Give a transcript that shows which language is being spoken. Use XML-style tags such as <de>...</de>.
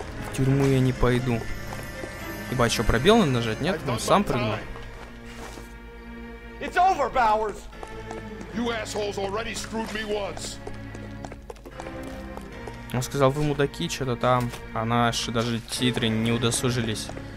<ru>В тюрьму я не пойду. Ибо, что, пробел надо нажать? Нет, он сам прыгнул.</ru> <en>It's over, Bowers. You assholes already screwed me once.</en> <ru>Он сказал, вы мудаки, что-то там. А наши даже титры не удосужились.</ru>